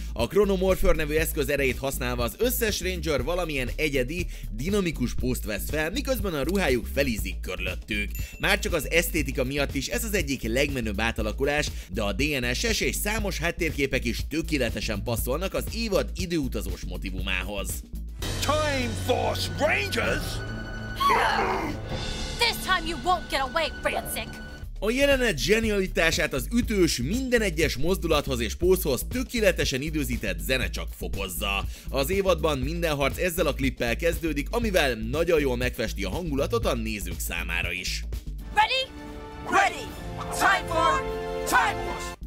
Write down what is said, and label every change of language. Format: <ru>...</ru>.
<hu>A Chronomorpher nevű eszköz erejét használva az összes Ranger valamilyen egyedi, dinamikus pózt vesz fel, miközben a ruhájuk felizik körülöttük. Már csak az esztétika miatt is ez az egyik legmenőbb átalakulás, de a DNS-es és számos háttérképek is tökéletesen passzolnak az évad időutazós motivumához.</hu> <en>Time Force Rangers? This time you won't get away, Rancic!</en> <hu>A jelenet zsenialitását az ütős, minden egyes mozdulathoz és pózhoz tökéletesen időzített zene csak fokozza. Az évadban minden harc ezzel a klippel kezdődik, amivel nagyon jól megfesti a hangulatot a nézők számára is.</hu> <en>Ready? Ready! Time for... Time Force!</en>